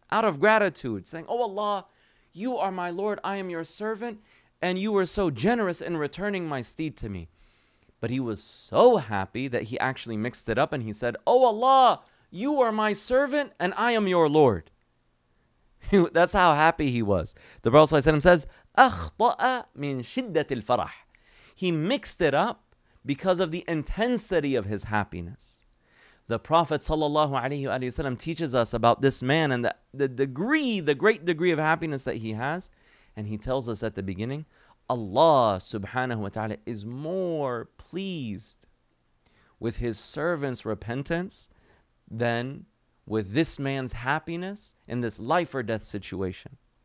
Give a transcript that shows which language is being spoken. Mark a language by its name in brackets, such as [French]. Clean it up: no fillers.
[English] Out of gratitude, saying, oh Allah, you are my Lord, I am your servant, and you were so generous in returning my steed to me. But he was so happy that he actually mixed it up and he said, oh Allah, you are my servant and I am your Lord. That's how happy he was. The Prophet ﷺ says, [Arabic] أخطأ من شدة الفرح. [English] He mixed it up because of the intensity of his happiness. The Prophet sallallahu alaihi wasallam teaches us about this man and the great degree of happiness that he has. And he tells us at the beginning, Allah subhanahu wa ta'ala is more pleased with his servant's repentance than with this man's happiness in this life or death situation.